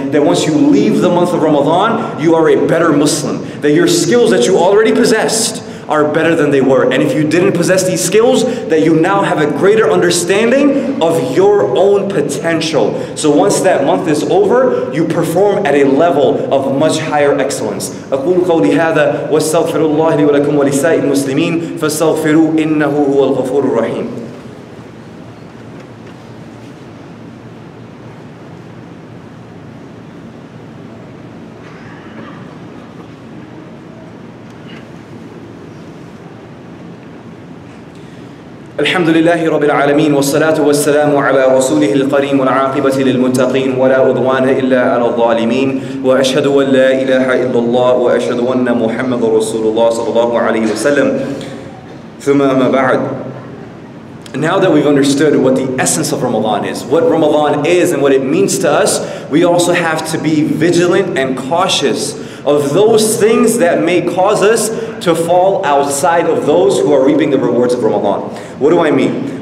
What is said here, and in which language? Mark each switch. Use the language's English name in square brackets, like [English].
[English] That once you leave the month of Ramadan, you are a better Muslim. That your skills that you already possessed are better than they were. And if you didn't possess these skills, that you now have a greater understanding of your own potential. So once that month is over, you perform at a level of much higher excellence. [Arabic] أقول قولي هذا واستغفر الله لي ولكم ولسائر المسلمين فاستغفروا إنه هو الغفور الرحيم. الحمد لله رب العالمين والصلاة والسلام على رسوله الكريم والعاقبة للمتقين ولا عدوان إلا على الظالمين وأشهد أن لا إله إلا الله وأشهد أن محمد رسول الله صلى الله عليه وسلم ثم أما بعد. [English] Now that we've understood what the essence of Ramadan is, what Ramadan is and what it means to us, we also have to be vigilant and cautious of those things that may cause us to fall outside of those who are reaping the rewards of Ramadan. What do I mean?